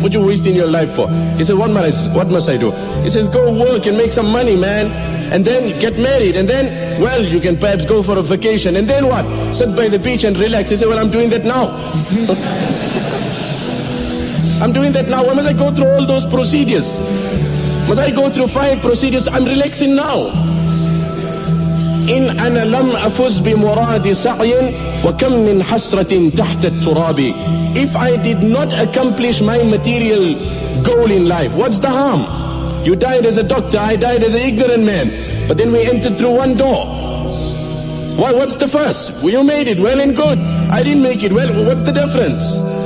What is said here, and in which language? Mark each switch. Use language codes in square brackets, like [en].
[en] What are you wasting your life for? He said, what must I do? He says, go work and make some money, man. And then get married. And then, well, you can perhaps go for a vacation. And then what? Sit by the beach and relax. He said, well, I'm doing that now. I'm doing that now. Why must I go through all those procedures? Must I go through 5 procedures? I'm relaxing now. [ar] إن أنا لم أفز بمراد سعي وكم من حسرة تحت التراب. [en] If I did not accomplish my material goal in life, what's the harm? You died as a doctor, I died as an ignorant man, but then we entered through one door. Why? What's the fuss? You made it, well and good. I didn't make it, well, what's the difference?